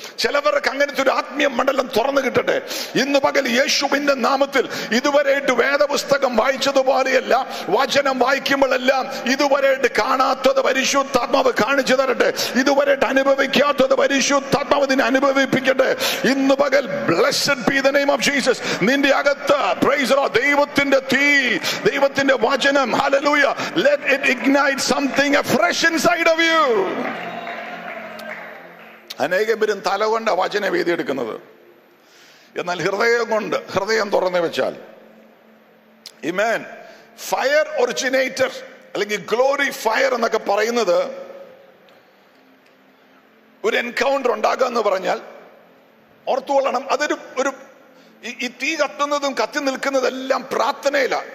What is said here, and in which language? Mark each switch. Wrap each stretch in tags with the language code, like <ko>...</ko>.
<ml>ചിലവർക്ക് അങ്ങനത്തെ ഒരു ആത്മീയ മണ്ഡലം തുറന്നു കിട്ടട്ടെ. ഇന്ന് പകൽ യേശുവിന്റെ നാമത്തിൽ ഇതുവരെയായിട്ട് വേദപുസ്തകം വായിച്ചതുപോലെയല്ല, വചനം വായിക്കുമ്പോഴെല്ലാം ഇതുവരെയായിട്ട് കാണാത്തത് പരിശുദ്ധാത്മാവ് കാണിച്ചു തരട്ടെ. ഇതുവരെയായിട്ട് അനുഭവിക്കാത്തത് പരിശുദ്ധാത്മാവ് നിന്നെ അനുഭവിപ്പിക്കട്ടെ. ഇന്ന് പകൽ</ml> <en>blessed be the name of Jesus</en> <ml>നിന്റെ അകത്ത്.</ml> <en>Praise the Lord.</en> <ml>ദൈവത്തിന്റെ തീ, ദൈവത്തിന്റെ വചനം, hallelujah.</ml> <en>Let it ignite something afresh inside of you.</en> <ml>അനേകം പേരും തലകൊണ്ട് വചന വേദി എടുക്കുന്നത്, എന്നാൽ ഹൃദയം കൊണ്ട്, ഹൃദയം തുറന്നു വെച്ചാൽ. Amen.</ml> <en>Fire originator,</en> <ml>അല്ലെങ്കിൽ ഗ്ലോറി ഫയർ എന്നൊക്കെ പറയുന്നത്, ഒരു എൻകൗണ്ടർ ഉണ്ടാകുക എന്ന് പറഞ്ഞാൽ ഓർത്തുകൊള്ളണം, അതൊരു ഒരു ഈ തീ കത്തുന്നതും കത്തി നിൽക്കുന്നതെല്ലാം പ്രാർത്ഥനയിലാണ്.</ml>